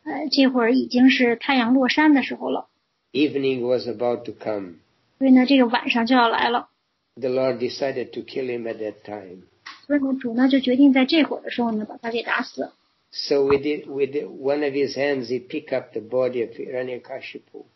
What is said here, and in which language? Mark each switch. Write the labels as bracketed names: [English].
[Chinese] 这会儿已经是太阳落山的时候了。 [English] Evening was about to come. [Chinese] 所以呢，这个晚上就要来了。 [English] The Lord decided to kill him at that time. [Chinese] 所以呢，主呢就决定在这会儿的时候呢，把他给打死。 [English] So with one of his hands, he picked up the body of Hiranyakashipu.